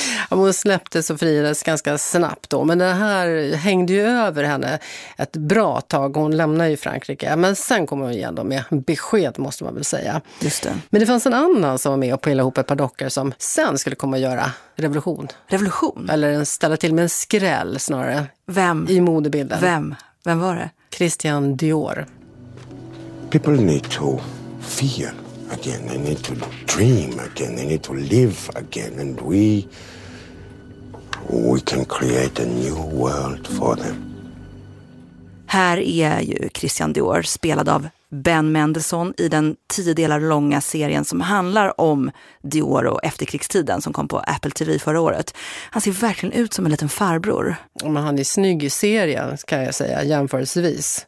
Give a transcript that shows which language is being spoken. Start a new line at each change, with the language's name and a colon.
Swedish: Hon släpptes och friades ganska snabbt då. Men det här hängde ju över henne ett bra tag. Hon lämnade ju Frankrike. Men sen kom hon igen då med besked måste man väl säga. Just det. Men det fanns en annan som var med och pillade ihop ett par dockor som sen skulle komma och göra revolution. Revolution? Eller ställa till med en skräll snarare. Vem? I modebilden. Vem? Vem var det? Christian Dior.
English: People need to feel again. They need to dream again. They need to live again. And we can create a new world for them.
Swedish: Här är ju Christian Dior, spelad av Ben Mendelsohn i den 10 delar långa serien som handlar om Dior och efterkrigstiden som kom på Apple TV förra året. Han ser verkligen ut som en liten farbror. Men han är snygg i serien kan jag säga, jämförelsevis.